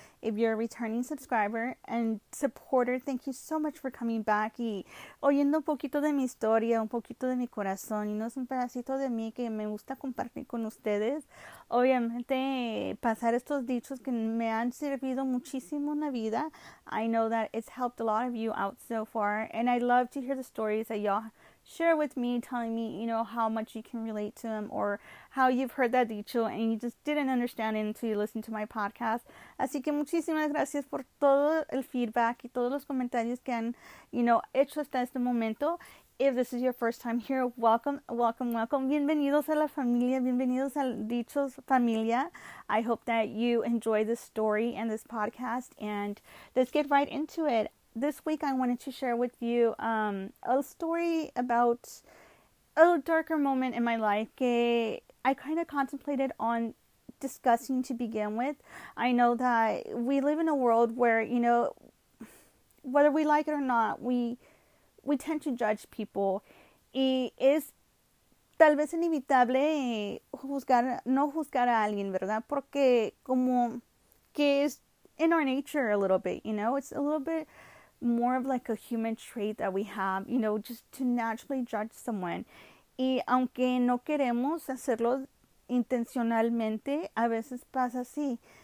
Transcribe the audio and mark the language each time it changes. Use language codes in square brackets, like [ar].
[en] If you're a returning subscriber and supporter, thank you so much for coming back [es] y oyendo un poquito de mi historia, un poquito de mi corazón, y no es un pedacito de mí que me gusta compartir con ustedes. Obviamente, pasar estos dichos que me han servido muchísimo en la vida. [en] I know that it's helped a lot of you out so far, and I love to hear the stories that y'all share with me, telling me, you know, how much you can relate to them or how you've heard that dicho and you just didn't understand it until you listened to my podcast. [es] Así que muchísimas gracias por todo el feedback y todos los comentarios que han, [en] you know, [es] hecho hasta este momento. [en] If this is your first time here, welcome, welcome, welcome. [es] Bienvenidos a la familia, bienvenidos al Dichos Familia. [en] I hope that you enjoy this story and this podcast, and let's get right into it. This week, I wanted to share with you a story about a darker moment in my life that I kind of contemplated on discussing to begin with. I know that we live in a world where, you know, whether we like it or not, we tend to judge people. [es] Y es tal vez inevitable juzgar, no juzgar a alguien, ¿verdad? Porque como que es [en] in our nature a little bit, you know, it's a little bit more of like a human trait that we have, you know, just to naturally judge someone. [es] Y aunque no queremos hacerlo intencionalmente, a veces pasa así.